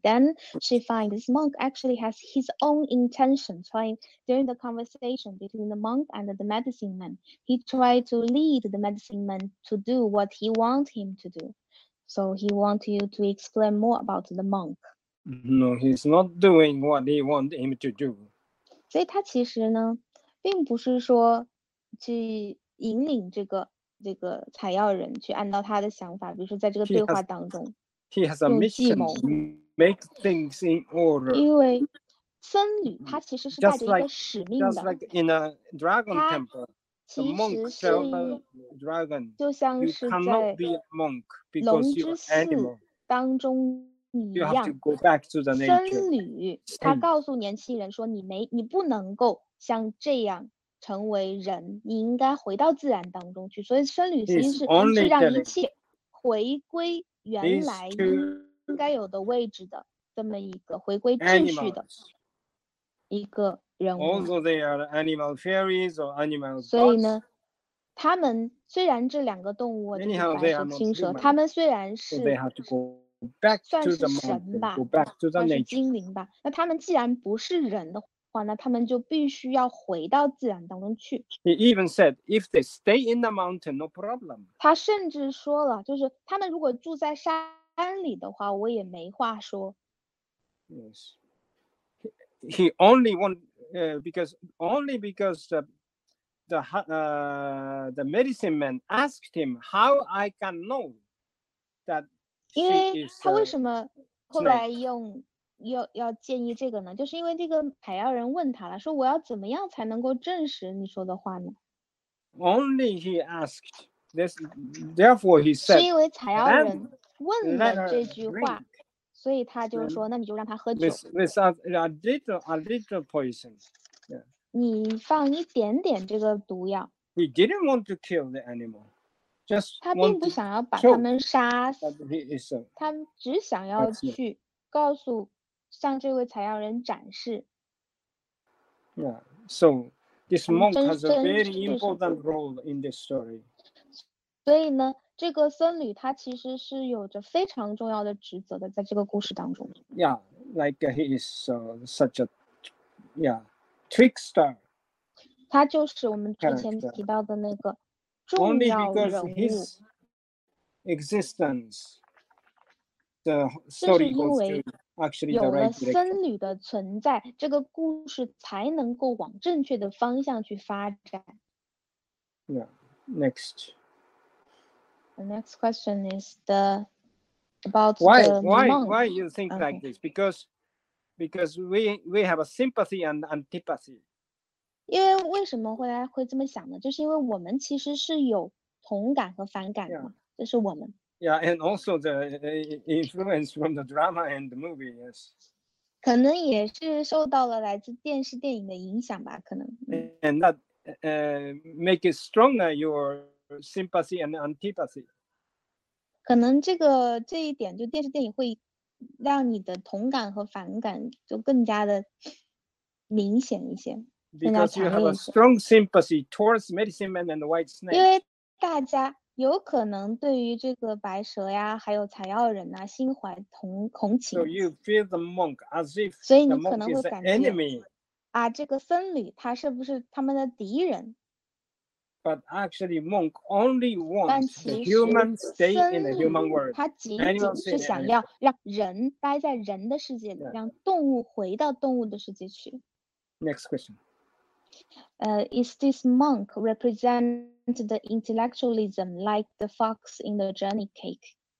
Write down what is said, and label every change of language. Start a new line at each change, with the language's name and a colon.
English: Then she finds this monk actually has his own intention. Trying, during the conversation between the monk and the medicine man, he tried to lead the medicine man to do what he wants him to do. So he wants you to explain more about the monk. No, he's not doing what he wants him to do.
Chinese: 所以他其实呢，并不是说去引领这个采药人去按照他的想法，比如说在这个对话当中用计谋
English: make things in order.
Chinese: 因为僧侣他其实是带着一个使命的。
English: Just like in a dragon temple, the monk tells the dragon, "You cannot be a monk because you're an animal."
Chinese: 当中。
English: You have to go back to the nature.
Chinese: 僧侣他告诉年轻人说你不能够像这样成为人，你应该回到自然当中去。所以僧侣心是让一切回归原来应该有的位置的，这么一个回归秩序的一个人物。
English: Although they are animal fairies or animal gods.
Chinese: 所以呢，他们虽然这两个动物就是白蛇青蛇，他们虽然是。
English: Back to the monk,
Chinese: 算是神吧，还是精灵吧？那他们既然不是人的话，那他们就必须要回到自然当中去。
English: He even said, if they stay in the mountain, no problem.
Chinese: 他甚至说了，就是他们如果住在山里的话，我也没话说。
English: Yes. He only want, because the medicine man asked him how I can know that.
Chinese: 因为他为什么后来用要建议这个呢？就是因为这个采药人问他了，说我要怎么样才能够证实你说的话呢
English: ？Only he asked this, therefore he said.
Chinese: 是因为采药人问了这句话，所以他就说，那你就让他喝酒。
English: With a little poison. Yeah.
Chinese: 你放一点点这个毒药。
English: He didn't want to kill the animal.
Chinese: 他并不想要把他们杀死 a, 他只想要去告诉向这位采药人展示
English: yeah, so this monk has a very important role in this story
Chinese: 所以呢这个僧侣他其实是有着非常重要的职责的在这个故事当中
English: yeah, like he is such a yeah, trickster
Chinese: 他就是我们之前提到的那个
English: Only because his existence, the story goes to actually the right direction.
Chinese: 有了僧侣的存在，这个故事才能够往正确的方向去发展。
English: Yeah, next. The next question is the about why, the monk. Why you think okay. like this? Because we have a sympathy and antipathy.
Chinese: 因为为什么会来会这么想呢？就是因为我们其实是有同感和反感的，
English: yeah.
Chinese: 这是我们。
English: Yeah, and also the influence from the drama and the movie, yes.
Chinese: 可能也是受到了来自电视电影的影响吧，可能。
English: And that make it stronger your sympathy and antipathy.
Chinese: 可能这一点，就电视电影会让你的同感和反感就更加的明显一些。
English: Because you have a strong sympathy towards medicine man and the white snake.
Chinese: 因为大家有可能对于这个白蛇呀，还有采药人呐，心怀同情。
English: So you feel the monk as if
Chinese: 所以你可能会感觉
English: enemy
Chinese: 啊，这个僧侣他是不是他们的敌人
English: ？But actually, monk only wants the human stay in the human world.
Chinese: 他仅仅是想要让人待在人的世界里，让动物回到动物的世界去。
English: Next question. Is this monk represent the intellectualism like the fox in the journey cake?